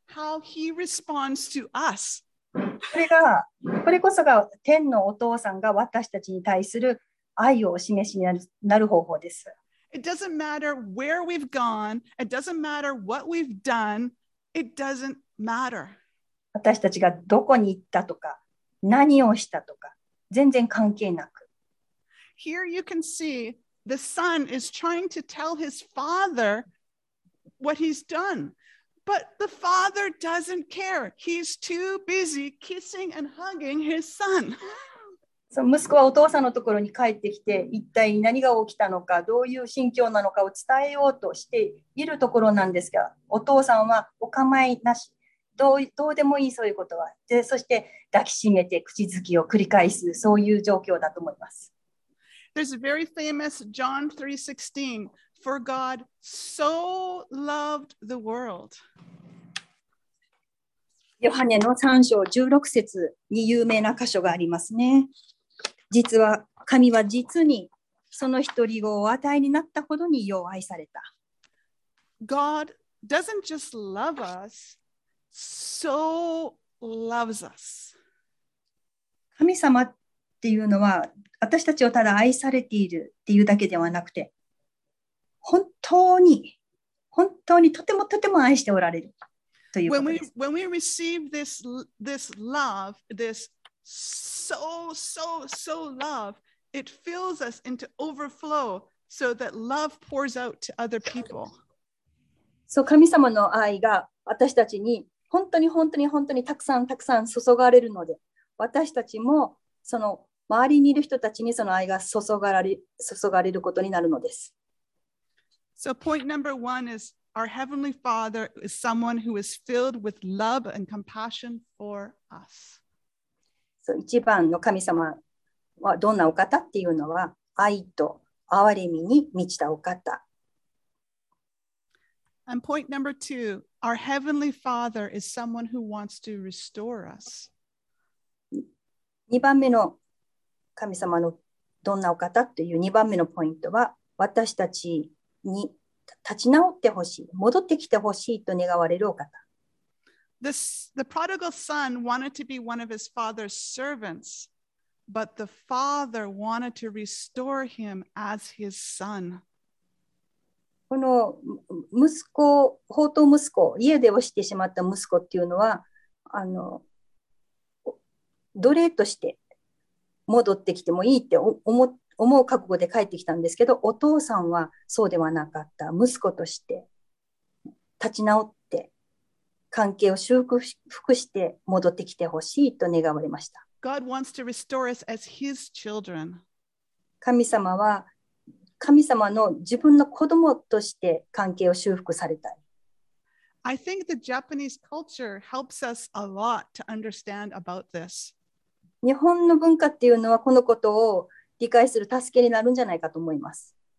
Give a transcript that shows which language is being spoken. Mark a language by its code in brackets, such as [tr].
[en] How he responds to us. [ja] これこそが天のお父さんが私たちに対する愛を示しになる方法です。 [en] It doesn't matter where we've gone. It doesn't matter what we've done. It doesn't matter. [ja] 私たちがどこに行ったとか、何をしたとか、全然関係なく。 [en] Here you can see the son is trying to tell his father. What he's done, but the father doesn't care. He's too busy kissing and hugging his son. [ja] そう、息子はお父さんのところに帰ってきて、一体何が起きたのか、どういう心境なのかを伝えようとしているところなんですが、お父さんはお構いなし、どうでもいいそういうことは、で、そして抱きしめて口づきを繰り返す、そういう状況だと思います。 [en] There's a very famous John 3:16. For God so loved the world. [ja] ヨハネの3章16節に有名な箇所がありますね。実は神は実にその一人をお与えになったほどによう愛された。 [en] God doesn't just love us, so loves us. [ja] 神様っていうのは私たちをただ愛されているっていうだけではなくて、本当に本当にとてもとても愛しておられるということです。 [en] When we receive this love, this so so so love, it fills us into overflow, so that love pours out to other people. [ja] そう、神様の愛が私たちに本当に本当に本当にたくさんたくさん注がれるので、私たちもその周りにいる人たちにその愛が注がれることになるのです。 [en] So point number one is our heavenly Father is someone who is filled with love and compassion for us. [ja] So 一番の神様はどんなお方っていうのは愛と憐れみに満ちたお方。 [en] And point number two, our heavenly Father is someone who wants to restore us. [ja] 二番目の神様のどんなお方っていう二番目のポイントは私たちに立ち直ってほしい、戻ってきてほしいと願われるお方。 [en] The prodigal son wanted to be one of his father's servants, but the father wanted to restore him as his son. [ja] この息子、放蕩息子、家で落ちてしまった息子っていうのは、あの奴隷として戻ってきてもいいって思う覚悟で帰ってきたんですけど、お父さんはそうではなかった。息子として立ち直って関係を修復して戻ってきてほしいと願われました。 [en] God wants to restore us as his children. [ja] 神様の自分の子供として関係を修復されたい。 [en] I think the Japanese culture helps us a lot to understand about this. [ja] 日本の文化っていうのはこのことを理解する助けになるんじゃないかと思います。